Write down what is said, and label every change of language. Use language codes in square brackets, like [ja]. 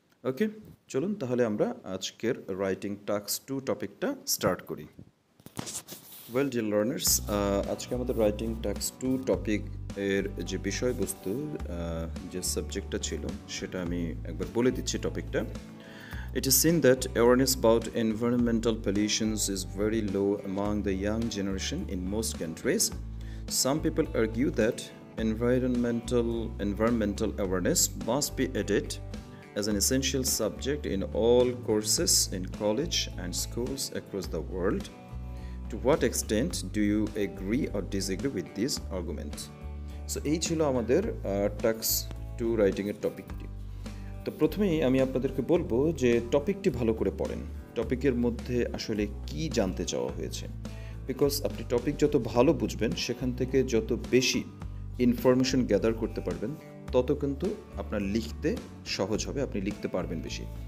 [bn] ওকে, চলুন তাহলে আমরা আজকের রাইটিং টাস্ক 2 টপিকটা স্টার্ট করি। [en] well dear learners, [bn] আজকে আমাদের রাইটিং টাস্ক 2 টপিক এর যে বিষয়বস্তু, যে সাবজেক্টটা ছিল সেটা আমি একবার বলে দিচ্ছি টপিকটা। [en] It is seen that awareness about environmental pollutions is very low among the young generation in most countries. Some people argue that environmental awareness must be added as an essential subject in all courses in college and schools across the world. To what extent do you agree or disagree with this argument? [bn] So, এই ছিল আমাদের task 2 writing এর topic. তো প্রথমেই আমি আপনাদেরকে বলবো যে টপিকটি ভালো করে পড়েন, টপিকের মধ্যে আসলে কি জানতে চাওয়া হয়েছে, বিকজ আপনি টপিক যত ভালো বুঝবেন সেখান থেকে যত বেশি ইনফরমেশন গ্যাদার করতে পারবেন তত কিন্তু আপনার লিখতে সহজ হবে, আপনি লিখতে পারবেন বেশি।